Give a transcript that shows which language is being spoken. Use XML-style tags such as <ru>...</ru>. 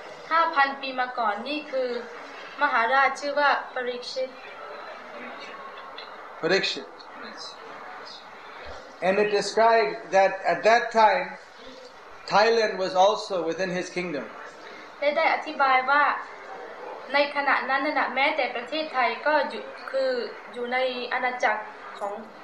<th>5,000 ปี มา ก่อน นี่ คือ มหาราช ชื่อ ว่า Parikshit. Parikshit.</th> <en>And it described that at that time, Thailand was also within his kingdom.</en> <th>ได้ อธิบาย ว่า ใน ขณะ นั้น น่ะ แม้ แต่ ประเทศ ไทย ก็ คือ อยู่ ใน อาณาจักร ของ</th>